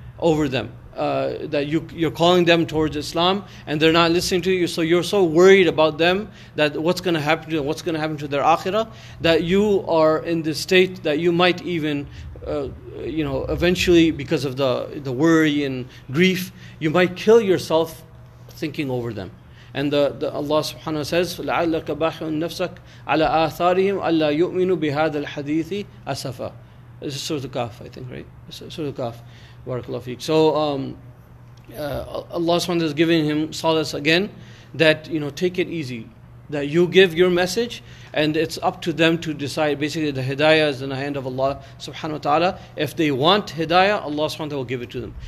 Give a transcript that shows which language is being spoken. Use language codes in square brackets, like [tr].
[en] over them, that you're calling them towards Islam and they're not listening to you, so you're so worried about them that what's going to happen to them, what's going to happen to their akhirah, that you are in this state that you might even eventually, because of the worry and grief, you might kill yourself thinking over them. And the Allah subhanahu wa ta'ala says, [ar] لَعَلَّكَ بَاخِعٌ نَفْسَكَ عَلَىٰ آثَارِهِمْ أَلَّا يُؤْمِنُوا بِهَذَا الْحَدِيثِ أَسَفًا. [en] This is Surah Al-Kahf, I think, right? Surah Al-Kahf. Barakallahu feek. So Allah subhanahu wa ta'ala is giving him solace again, that, you know, take it easy. That you give your message, and it's up to them to decide. Basically, the hidayah is in the hand of Allah subhanahu wa ta'ala. If they want hidayah, Allah subhanahu wa ta'ala will give it to them.